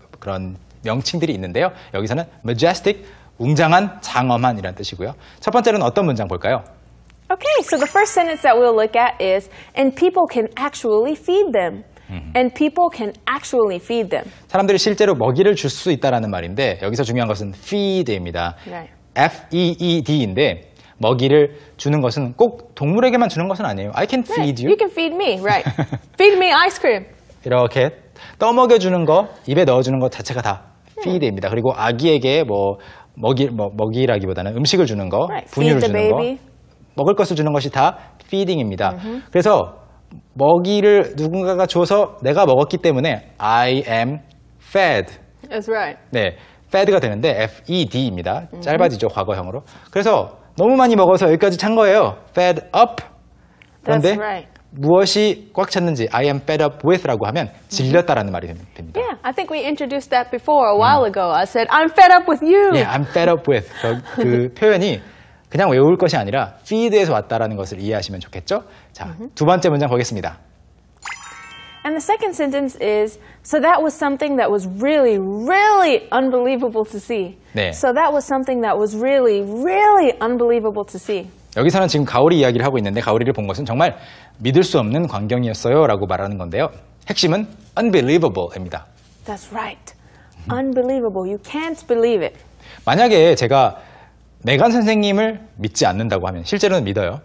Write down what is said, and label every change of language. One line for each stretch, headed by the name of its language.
Korean: 그런 명칭들이 있는데요. 여기서는 majestic 웅장한, 장엄한이라는 뜻이고요. 첫 번째로는 어떤 문장 볼까요?
English: Okay, so the first sentence that we'll look at is and people can actually feed them. And people can actually feed them.
Korean: 사람들이 실제로 먹이를 줄 수 있다라는 말인데 여기서 중요한 것은 feed입니다.
English: Right.
Korean: F-E-E-D인데 먹이를 주는 것은 꼭 동물에게만 주는 것은 아니에요.
English: I can feed you. You can feed me, right. Feed me ice cream.
Korean: 이렇게 떠먹여주는 거, 입에 넣어주는 것 자체가 다 feed입니다. 그리고 아기에게 뭐 먹이라기보다는 음식을 주는 거,
English: right.
Korean: 분유를 주는
English: baby.
Korean: 거, 먹을 것을 주는 것이 다 feeding입니다. Mm-hmm. 그래서 먹이를 누군가가 줘서 내가 먹었기 때문에
English: I am fed. That's right.
Korean: 네, fed가 되는데 F-E-D입니다. Mm-hmm. 짧아지죠, 과거형으로. 그래서 너무 많이 먹어서 여기까지 찬 거예요.
English: Fed up. 그런데 That's right.
Korean: 무엇이 꽉 찼는지
English: I am fed up with
Korean: 라고 하면 질렸다라는 말이 됩니다.
English: Yeah, I think we introduced that before a while ago. I said I'm fed up with you. Yeah, I'm fed up with
Korean: 그 표현이 그냥 외울 것이 아니라 feed에서 왔다라는 것을 이해하시면 좋겠죠? 자, 두 번째 문장 보겠습니다.
English: And the second sentence is, so that was something that was really, really unbelievable to see.
Korean: 네.
English: So that was something that was really, really unbelievable to see.
Korean: 여기서는 지금 가오리 이야기를 하고 있는데 가오리를 본 것은 정말 믿을 수 없는 광경이었어요 라고 말하는 건데요. 핵심은 unbelievable입니다.
English: That's right. Unbelievable. You can't believe it.
Korean: 만약에 제가 메간 선생님을 믿지 않는다고 하면, 실제로는 믿어요.